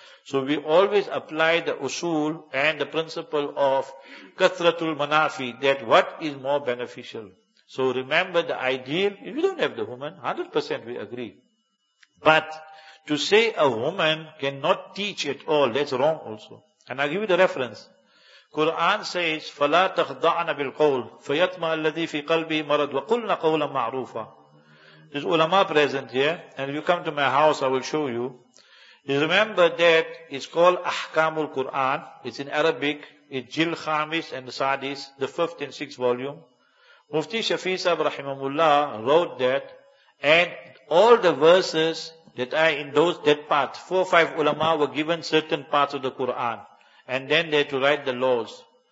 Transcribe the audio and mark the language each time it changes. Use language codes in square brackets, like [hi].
[en] So we always apply the usul and the principle of kathratul manafi, that what is more beneficial. So remember the ideal, if you don't have the woman, 100% we agree. But to say a woman cannot teach at all, that's wrong also. And I'll give you the reference. [ar] Quran says, فَلَا تَخْضَعْنَ بِالْقَوْلِ فَيَطْمَى الَّذِي فِي قَلْبِي مَرَضٌ وَقُلْنَ قَوْلًا مَعْرُوفًا. [en] There's ulama present here, and if you come to my house, I will show you. You remember that it's called Ahkamul Quran. It's in Arabic. It's Jil Khamis and Sadis, the 5th and 6th volume. Mufti Shafi Sahib Rahimahullah wrote that, and all the verses that are in those, that part, 4 or 5 ulama were given certain parts of the Quran, and then they had to write the laws.